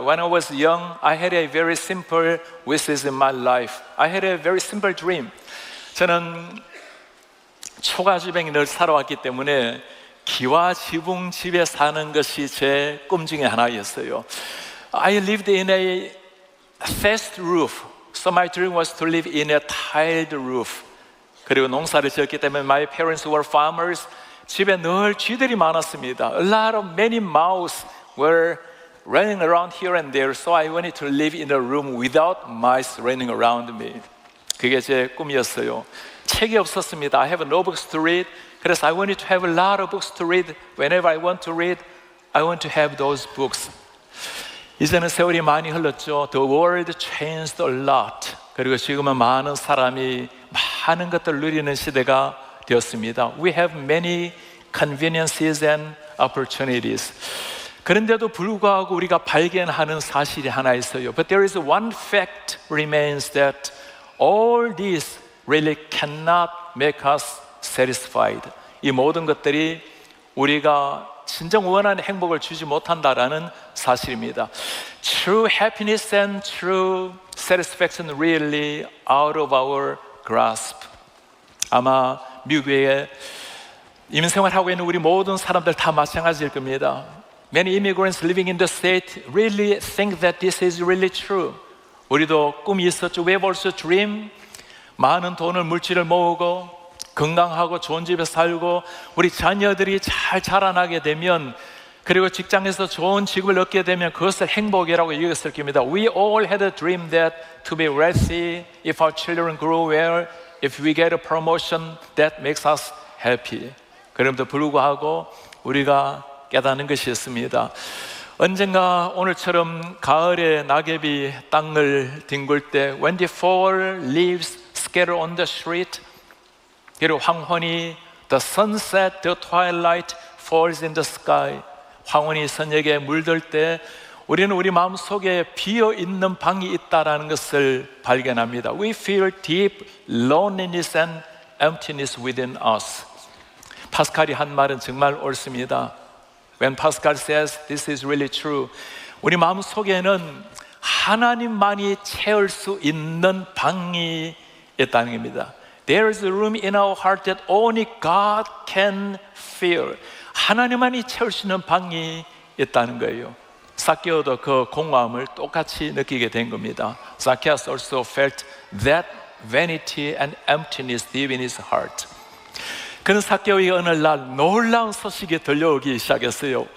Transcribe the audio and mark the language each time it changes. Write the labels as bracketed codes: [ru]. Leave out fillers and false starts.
[en] When I was young, I had a very simple wishes in my life. I had a very simple dream. [ko] 저는 초가집에 늘 살아왔기 때문에 기와 지붕 집에 사는 것이 제 꿈 중에 하나였어요. [en] I lived in a thatched roof. So my dream was to live in a tiled roof. [ko] 그리고 농사를 지었기 때문에 [en] my parents were farmers. [ko] 집에 늘 쥐들이 많았습니다. [en] A lot of many mice were running around here and there. So I wanted to live in a room without mice running around me. [ko] 그게 제 꿈이었어요. 책이 없었습니다. [en] I have no books to read. [ko] 그래서 [en] I wanted to have a lot of books to read. Whenever I want to read, I want to have those books. [ko] 이제는 세월이 많이 흘렀죠. [en] The world changed a lot. [ko] 그리고 지금은 많은 사람이 많은 것들을 누리는 시대가 되었습니다. [en] We have many conveniences and opportunities. [ko] 그런데도 불구하고 우리가 발견하는 사실이 하나 있어요. [en] But there is one fact remains that all this really cannot make us satisfied. [ko] 이 모든 것들이 우리가 진정 원하는 행복을 주지 못한다라는 사실입니다. [en] True happiness and true satisfaction really out of our grasp. [ko] 아마 미국에 이민생활하고 있는 우리 모든 사람들 다 마찬가지일 겁니다. [en] Many immigrants living in the state really think that this is really true. [ko] 우리도 꿈이 있었죠. [en] We have also dreamed. [ko] 많은 돈을 물질을 모으고 건강하고 좋은 집에 살고 우리 자녀들이 잘 자라나게 되면 그리고 직장에서 좋은 직업을 얻게 되면 그것을 행복이라고 얘기했을 겁니다. [en] We all had a dream that to be wealthy, if our children grow well, if we get a promotion, that makes us happy. [ko] 그럼에도 불구하고 우리가 깨닫는 것이 있습니다. 언젠가 오늘처럼 가을에 낙엽이 땅을 뒹굴 때 [en] when the fall leaves scatter on the street, [ko] 그리고 황혼이 [en] the sunset, the twilight falls in the sky. [ko] 황혼이 저녁에 물들 때 우리는 우리 마음속에 비어있는 방이 있다라는 것을 발견합니다. [en] We feel deep loneliness and emptiness within us. [ko] 파스칼이 한 말은 정말 옳습니다. [en] When Pascal says this is really true, [ko] 우리 마음속에는 하나님만이 채울 수 있는 방이 있다는 겁니다. [en] There is a room in our heart that only God can fill. [ko] 하나님만이 채울 수 있는 방이 있다는 거예요. 사케오도 그 공허함을 똑같이 느끼게 된 겁니다. [en] Zacchaeus also felt that vanity and emptiness deep in his heart. [ko] 그는 사케오에게 어느 날 놀라운 소식이 들려오기 시작했어요.